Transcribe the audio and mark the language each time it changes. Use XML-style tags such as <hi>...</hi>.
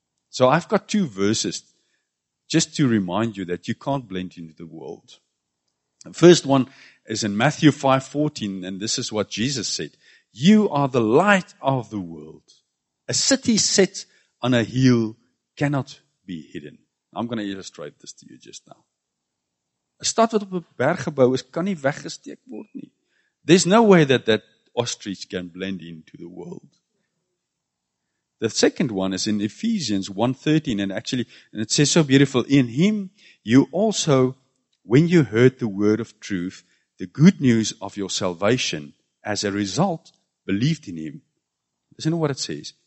<en>So I've got two verses just to remind you that you can't blend into the world. The first one is in Matthew 5:14, and this is what Jesus said. You are the light of the world. A city set on a hill cannot be hidden. I'm going to illustrate this to you just now.</en> <af>'N stad wat op 'n berg gebou is, kan nie weggesteek word nie.</af> <en>There's no way that that ostrich can blend into the world. The second one is in Ephesians 1:13, and it says so beautiful, in him you also, when you heard the word of truth, the good news of your salvation, as a result, believed in him. Listen to what it says.</en>